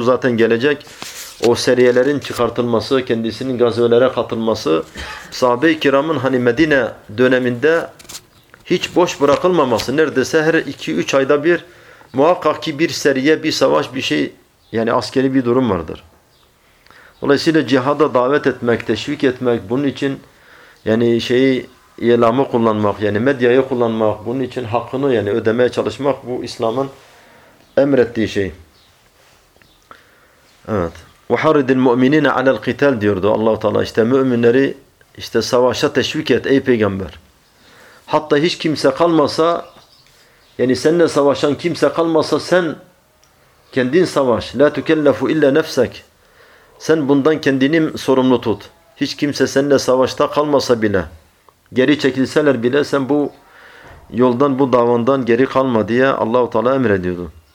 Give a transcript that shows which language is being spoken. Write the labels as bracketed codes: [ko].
[tr] Zaten gelecek o seriyelerin çıkartılması, kendisinin gazvelere katılması, sahabe-i kiramın hani Medine döneminde hiç boş bırakılmaması, neredeyse her 2-3 ayda bir muhakkak ki bir seriye, bir savaş, bir şey yani askeri bir durum vardır. Dolayısıyla cihada davet etmek, teşvik etmek, bunun için yani şeyi ilamı kullanmak, yani medyayı kullanmak, bunun için hakkını yani ödemeye çalışmak bu İslam'ın emrettiği şey. Evet. [ar] وَحَرِّدِ الْمُؤْمِنِينَ عَلَى الْقِتَالِ [tr] diyordu Allah-u Teala. İşte müminleri işte savaşa teşvik et ey peygamber. Hatta hiç kimse kalmasa, yani seninle savaşan kimse kalmasa sen kendin savaş. [ar] لَا تُكَلَّفُ اِلَّا نَفْسَكْ. [tr] Sen bundan kendini sorumlu tut. Hiç kimse seninle savaşta kalmasa bile, geri çekilseler bile sen bu yoldan, bu davandan geri kalma diye Allah-u Teala emrediyordu.